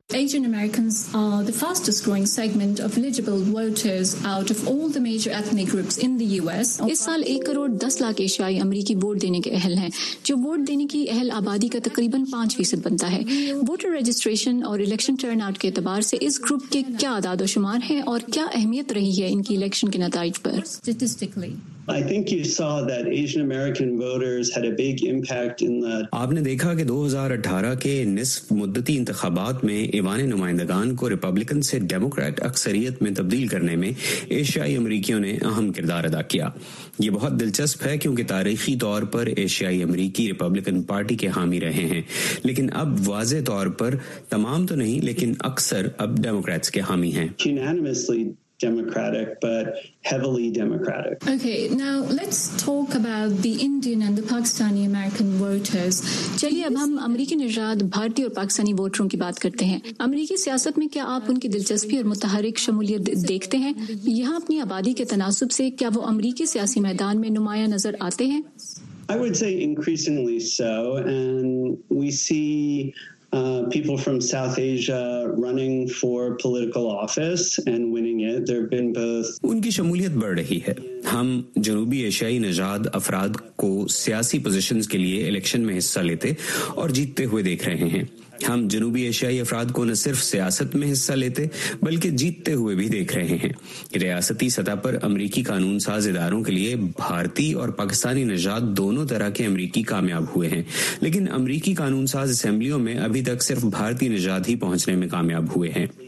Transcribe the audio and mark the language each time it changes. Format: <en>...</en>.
<en>Asian Americans are the fastest growing segment of eligible voters out of all the major ethnic groups in the U S.</en> <ur>اس سال 1,10,00,000 ایشیائی امریکی vote دینے کے اہل ہیں، جو ووٹ دینے کی اہل آبادی کا تقریباً 5% بنتا ہے۔ ووٹر رجسٹریشن اور الیکشن ٹرن آؤٹ کے اعتبار سے اس گروپ کے کیا اعداد و شمار ہیں اور کیا اہمیت رہی ہے ان کی الیکشن کے نتائج پر؟</ur> <en>Statistically, I think you saw that Asian American voters had a big impact in the</en> <ur>آپ نے دیکھا کہ 2018 کے نصف مدتی انتخابات میں ایوان نمائندگان کو ریپبلکن سے ڈیموکریٹ اکثریت میں تبدیل کرنے میں ایشیائی امریکیوں نے اہم کردار ادا کیا۔ یہ بہت دلچسپ ہے کیونکہ تاریخی طور پر ایشیائی امریکی ریپبلکن پارٹی کے حامی رہے ہیں، لیکن اب واضح طور پر تمام تو نہیں لیکن اکثر اب ڈیموکریٹس کے حامی ہیں۔</ur> <en>Democratic, but heavily Democratic. Okay, now let's talk about the Indian and the Pakistani American voters.</en> <ur>چلیے اب ہم امریکی نژاد بھارتی اور پاکستانی ووٹروں کی بات کرتے ہیں۔ امریکی سیاست میں کیا آپ ان کی دلچسپی اور متحرک شمولیت دیکھتے ہیں؟ یہاں اپنی آبادی کے تناسب سے کیا وہ امریکی سیاسی میدان میں نمایاں نظر آتے ہیں؟</ur> <en>I would say increasingly so, and we see people from South Asia running for political office and winning it. There have been both.</en> <ur>ان کی شمولیت بڑھ رہی ہے۔ ہم جنوبی ایشیائی نژاد افراد کو سیاسی پوزیشنز کے لیے الیکشن میں حصہ لیتے اور جیتتے ہوئے دیکھ رہے ہیں۔ ہم جنوبی ایشیائی افراد کو نہ صرف سیاست میں حصہ لیتے بلکہ جیتتے ہوئے بھی دیکھ رہے ہیں۔ ریاستی سطح پر امریکی قانون ساز اداروں کے لیے بھارتی اور پاکستانی نژاد دونوں طرح کے امریکی کامیاب ہوئے ہیں، لیکن امریکی قانون ساز اسمبلیوں میں ابھی تک صرف بھارتی نژاد ہی پہنچنے میں کامیاب ہوئے ہیں۔</ur>